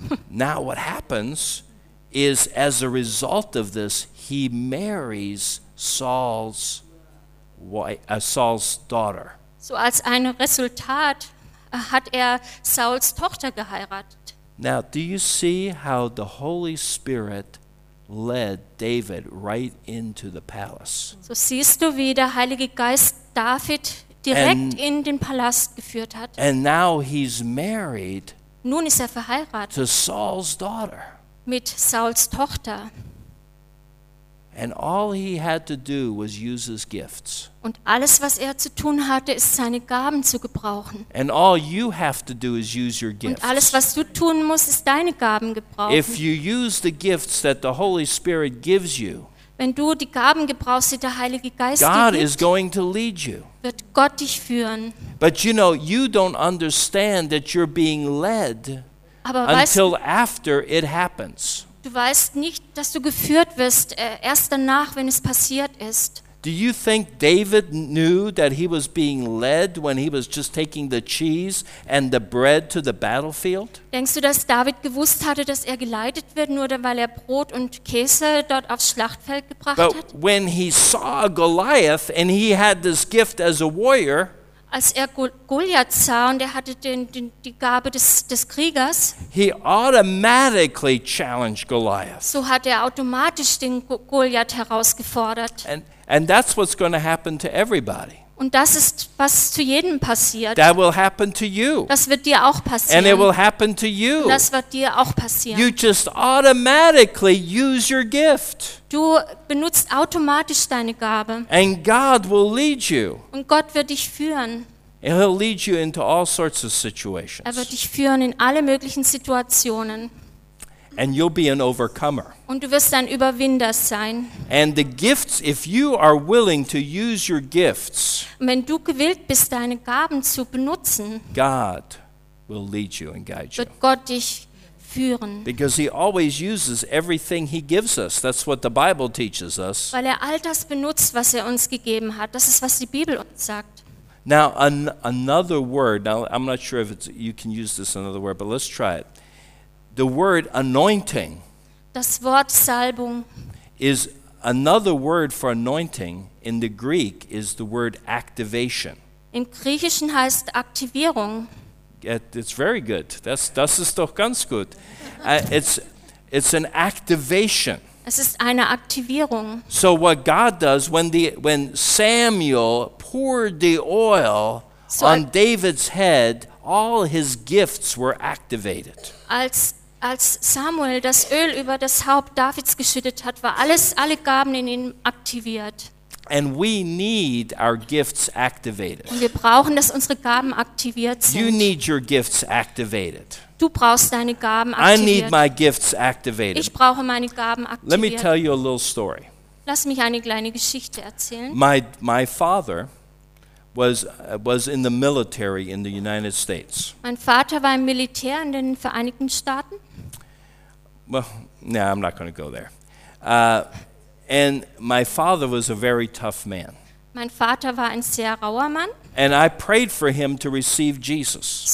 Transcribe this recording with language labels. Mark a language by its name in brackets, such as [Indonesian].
[English] Now what happens is as a result of this he marries Saul's daughter. [German] So als ein Resultat hat er Sauls Tochter geheiratet. [English] Now, do you see how the Holy Spirit led David right into the palace? [German] So siehst du, wie der Heilige Geist David direkt in den Palast geführt hat. [English] And now he's married. [German] Nun ist er verheiratet. [English] To Saul's daughter. [German] Mit Sauls Tochter. [English] And all he had to do was use his gifts. [German] Und alles, was er zu tun hatte, ist seine Gaben zu gebrauchen. [English] And all you have to do is use your gifts. [German] Und alles, was du tun musst, ist deine Gaben gebrauchen. [English] If you use the gifts that the Holy Spirit gives you, [German] wenn du die Gaben gebrauchst, die der Heilige Geist [English] God [German] dir gibt, [English] is going to lead you. [German] Wird Gott dich führen. [English] But you know, you don't understand that you're being led until after it happens. [German] Du weißt nicht, dass du geführt wirst, erst danach, wenn es passiert ist. [English] Do you think David knew that he was being led when he was just taking the cheese and the bread to the battlefield? [German] Denkst du, dass David gewusst hatte, dass er geleitet wird, nur weil er Brot und Käse dort aufs Schlachtfeld gebracht [English] But [German] hat? [English] But when he saw Goliath and he had this gift as a warrior, [German] als er Goliath sah und er hatte die Gabe des Kriegers, [English] he automatically challenged Goliath. [German] So hat er automatisch den Goliath herausgefordert. [English] And that's what's going to happen to everybody. [German] Und das ist, was zu jedem passiert. [English] That will happen to you. [German] Das wird dir auch passieren. [English] And it will happen to you. [German] Und das wird dir auch passieren. [English] You just automatically use your gift. [German] Du benutzt automatisch deine Gabe. [English] And God will lead you. [German] Und Gott wird dich führen. [English] And he'll lead you into all sorts of situations. [German] Er wird dich führen in alle möglichen Situationen. [English] And you'll be an overcomer. [German] Und du wirst ein Überwinder sein. [English] And the gifts, if you are willing to use your gifts, [German] wenn du gewillt bist, deine Gaben zu benutzen, [English] God will lead you and guide you. [German] Wird Gott dich führen. [English] Because he always uses everything he gives us. That's what the Bible teaches us. [German] Weil er all das benutzt, was er uns gegeben hat. Das ist, was die Bibel uns sagt. [English] Now, another word. Now, I'm not sure if it's, you can use this another word, but let's try it. The word anointing, [German] das Wort Salbung, [English] is another word for anointing. In the Greek is the word activation. [German] Im Griechischen heißt Aktivierung. [English] It's very good. [German] Das ist doch ganz gut. [English] It's an activation. [German] Es ist eine Aktivierung. [English] So what God does when Samuel poured the oil on David's head, all his gifts were activated. [German] Als Samuel das Öl über das Haupt Davids geschüttet hat, war alle Gaben in ihm aktiviert. [English] And we need our gifts activated. [German] Und wir brauchen, dass unsere Gaben aktiviert sind. [English] You need your gifts activated. [German] Du brauchst deine Gaben aktiviert. [English] I need my gifts activated. [German] Ich brauche meine Gaben aktiviert. [English] Let me tell you a little story. [German] Lass mich eine kleine Geschichte erzählen. [English] My father was in the military in the United States. [German] Mein Vater war im Militär in den Vereinigten Staaten. [English] Well, no, I'm not going to go there. And my father was a very tough man. [German] Mein Vater war ein sehr rauer Mann. [English] And I prayed for him to receive Jesus.